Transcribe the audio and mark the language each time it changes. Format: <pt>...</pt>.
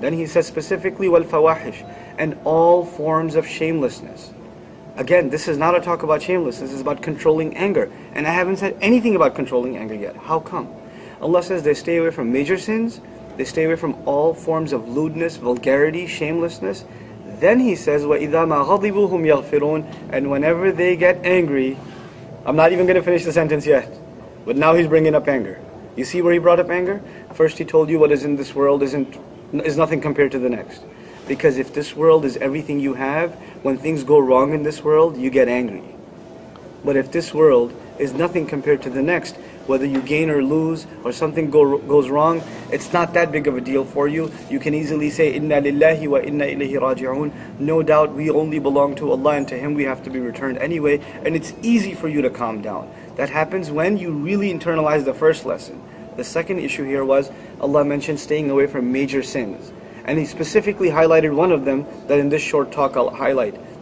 <en>Then he says specifically</en> <ar>وَالْفَوَاحِشِ</ar> <en>and all forms of shamelessness. Again, this is not a talk about shamelessness, this is about controlling anger. And I haven't said anything about controlling anger yet. How come? Allah says they stay away from major sins, they stay away from all forms of lewdness, vulgarity, shamelessness. Then he says,</en> <ar>وَإِذَا مَا غَضِبُوا هُمْ يَغْفِرُونَ.</ar> <en>And whenever they get angry, I'm not even going to finish the sentence yet, but now he's bringing up anger. You see where he brought up anger? First he told you what is in this world is nothing compared to the next. Because if this world is everything you have, when things go wrong in this world, you get angry. But if this world is nothing compared to the next, whether you gain or lose, or something goes wrong, it's not that big of a deal for you. You can easily say,</en> <ar>إِنَّا لِلَّهِ وَإِنَّا إِلَيْهِ رَاجِعُونَ.</ar> <en>No doubt we only belong to Allah and to Him we have to be returned anyway. And it's easy for you to calm down. That happens when you really internalize the first lesson. The second issue here was, Allah mentioned staying away from major sins. And He specifically highlighted one of them that in this short talk I'll highlight.</en>